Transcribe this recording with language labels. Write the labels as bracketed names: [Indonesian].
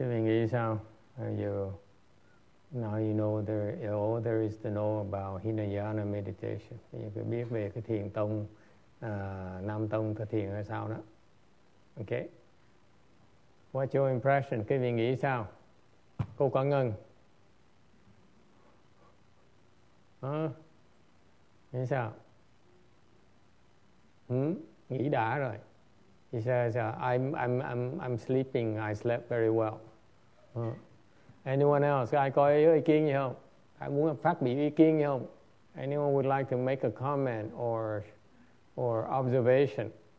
[English] I mean, is how you now you know there is to know about Hinayana meditation. You can [Vietnamese] biết về cái thiền tông Nam tông thực thiền hay sao đó. [English] Okay. What's your impression? [Vietnamese] Cái mình nghĩ sao? [English] Cô Quảng Ngân. [Vietnamese] Nghĩ sao? Nghĩ đã rồi. [English] He says I'm sleeping. I slept very well. Anyone else? [Vietnamese] Ai có ý kiến gì không? Ai muốn phát biểu ý kiến gì không? [English] Anyone would like to make a comment or observation?